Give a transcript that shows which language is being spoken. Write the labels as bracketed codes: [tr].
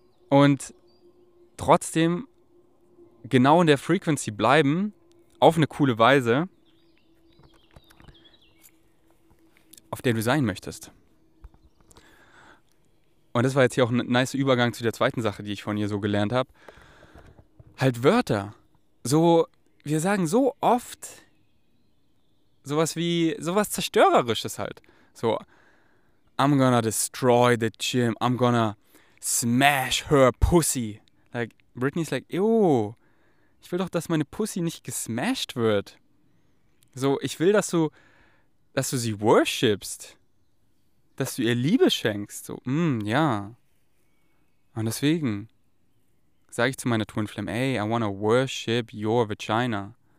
[de] Und trotzdem genau in der Frequency bleiben, auf eine coole Weise, auf der du sein möchtest. Und das war jetzt hier auch ein nice Übergang zu der zweiten Sache, die ich von ihr so gelernt habe. Halt Wörter. So, wir sagen so oft sowas wie, sowas Zerstörerisches halt. [en] So, I'm gonna destroy the gym. I'm gonna smash her pussy. Like, Britney's like, ew, [de] ich will doch, dass meine Pussy nicht gesmashed wird. So, ich will, dass du sie worshipst. Dass du ihr Liebe schenkst. So, ja. Und deswegen sage ich zu meiner Twin Flame, ey, [en] I wanna worship your vagina.